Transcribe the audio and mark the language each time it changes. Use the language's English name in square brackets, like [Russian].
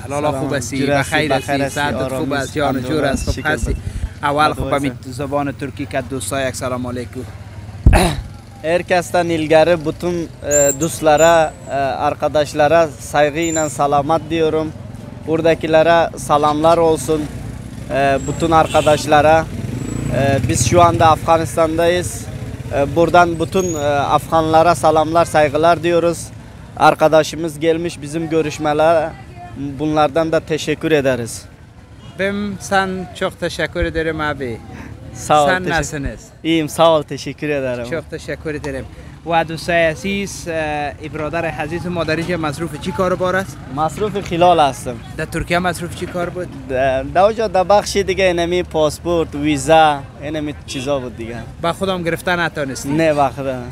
[Persian] حالا خوب هستی؟ بخیر هستی؟ خوب هست؟ یار جور هست؟ خوب هستی؟ اول خوب همی زبان ترکی که دوستای یک سلام علیکو. [Turkish] هر کستن ایلگره بطن دوستلره، ارکداشلره سایغینا سلامت دیورم. Buradakilere salamlar olsun, bütün arkadaşlara. Biz şu anda Afganistan'dayız. Buradan bütün Afganlara salamlar, saygılar diyoruz. Arkadaşımız gelmiş bizim görüşmelere, bunlardan da teşekkür ederiz. Ben sen çok teşekkür ederim abi. Sağ ol. Sen nasılsınız? İyiyim, sağ ol, teşekkür ederim. Çok teşekkür ederim. [Persian] و دوستای عزیز ای برادر عزیز ما در اینجا مصروف چی کار بار است؟ مصروف خلال هستم. در ترکیه مصروف چی کار بود؟ در اونجا در بخش دیگه اینمی پاسپورت، ویزا، اینمی چیزا بود دیگه. با خودم گرفتن نتانستی؟ نه وقتا